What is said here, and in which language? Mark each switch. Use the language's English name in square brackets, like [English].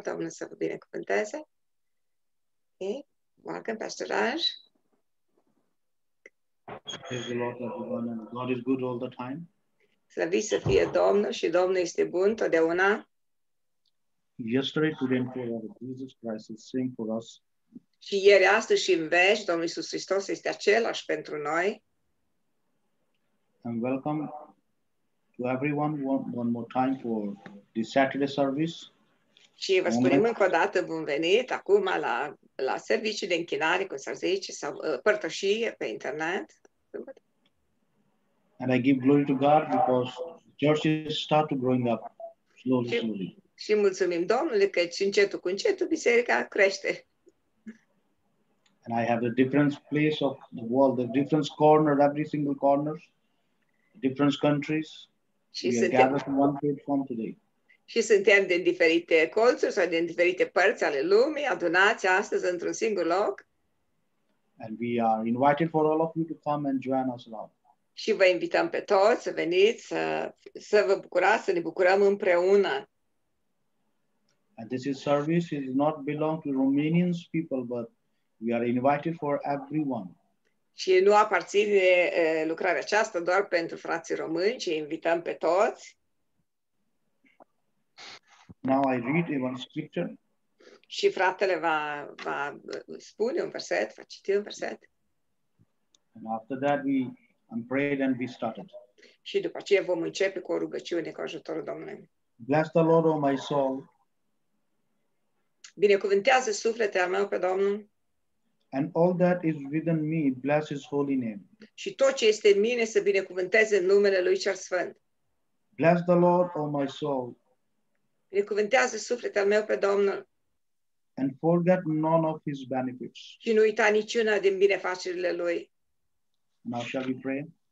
[Romanian] Domnul să vă binecuvânteze. [English] Okay. Welcome, Pastor Raj. Praise the Lord, everyone. And God is good all the time. [Romanian] Slăviți să fie Domnul și Domnul este bun totdeauna. [English] Yesterday, today, and forever, Jesus Christ is same for us. [Romanian] Și ieri, astăzi și în veci, Domnul Iisus Hristos este același pentru noi. [English] And welcome to everyone one more time for the Saturday service. [Romanian] Și vă spunem încă o dată bun venit acum la serviciul de închinare, cum s-ar zice, sau părtășie pe internet. [English] And I give glory to God because churches start to growing up slowly. [Romanian] Și mulțumim Domnului că încetul cu încetul biserica crește. [English] And I have a different place of the world, the different corner, every single corner, different countries. We are gathered from one platform today. [Romanian] Și suntem din diferite colțuri sau din diferite părți ale lumii, adunați astăzi într-un singur loc. [English] And we are invited for all of you to come and join us now. [Romanian] Și vă invităm pe toți să veniți, să vă bucurați, să ne bucurăm împreună. [English] And this is service is not belong to Romanian people, but we are invited for everyone. [Romanian] Și nu aparține lucrarea aceasta doar pentru frații români, ci invităm pe toți. [English] Now I read one scripture. [Romanian] Și fratele va spune un verset, va citi un verset. [English] And after that we prayed and we started. [Romanian] Și după aceea vom începe cu o rugăciune cu ajutorul Domnului. [English] Bless the Lord, O my soul. [Romanian] Binecuvântează sufletul meu pe Domnul. [English] And all that is within me, bless His holy name. [Romanian] Și tot ce este în mine să binecuvânteze numele Lui cel Sfânt. [English] Bless the Lord, O my soul. [Romanian] Binecuvântează sufletul meu pe Domnul. [English] And forget none of His benefits. [Romanian] Și nu uita niciuna din binefacerile Lui. [English] Now shall we pray?